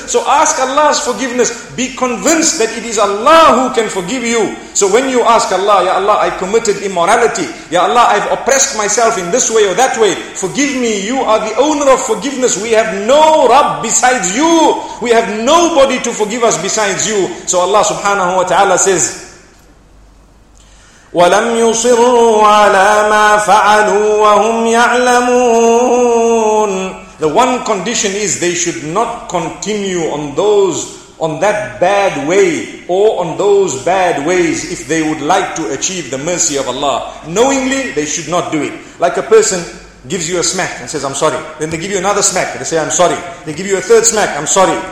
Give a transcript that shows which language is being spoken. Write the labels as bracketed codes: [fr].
[en] So ask Allah's forgiveness. Be convinced that it is Allah who can forgive you. So when you ask Allah, Ya Allah, I committed immorality. Ya Allah, I've oppressed myself in this way or that way. Forgive me. You are the owner of forgiveness. We have no Rabb besides you. We have nobody to forgive us besides you. So Allah subhanahu wa ta'ala says, [ar] وَلَمْ يُصِرُوا عَلَى مَا فَعَلُوا وَهُمْ يَعْلَمُونَ. [en] The one condition is they should not continue on that bad way or on those bad ways if they would like to achieve the mercy of Allah. Knowingly, they should not do it. Like a person gives you a smack and says, I'm sorry. Then they give you another smack and they say, I'm sorry. They give you a third smack, I'm sorry.